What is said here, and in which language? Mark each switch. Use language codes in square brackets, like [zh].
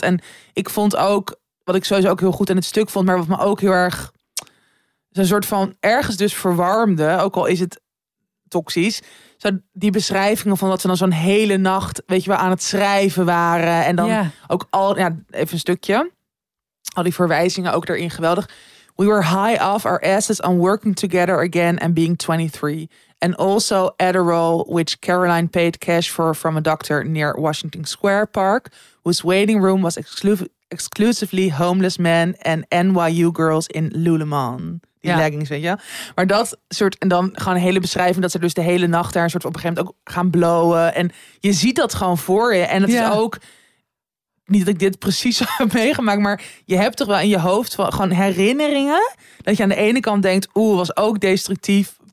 [nl] En ik vond ook, wat ik sowieso ook heel goed in het stuk vond, maar wat me ook heel erg, zo'n soort van ergens dus verwarmde, ook al is het toxisch, zo die beschrijvingen van dat ze dan zo'n hele nacht, weet je wel, aan het schrijven waren. En dan ook al, ja, even een stukje, al die verwijzingen ook erin, geweldig. [en] We were high off our asses on working together again and being 23. And also Adderall, which Caroline paid cash for from a doctor near Washington Square Park, whose waiting room was exclusively homeless men and NYU girls in Lululemon. [nl] Die leggings, weet je. Maar dat soort, en dan gewoon hele beschrijving dat ze dus de hele nacht daar een soort op een gegeven moment ook gaan blowen. En je ziet dat gewoon voor je. En het is ook, niet dat ik dit precies zo heb meegemaakt, maar je hebt toch wel in je hoofd van, gewoon herinneringen, dat je aan de ene kant denkt, oeh, was ook destructief.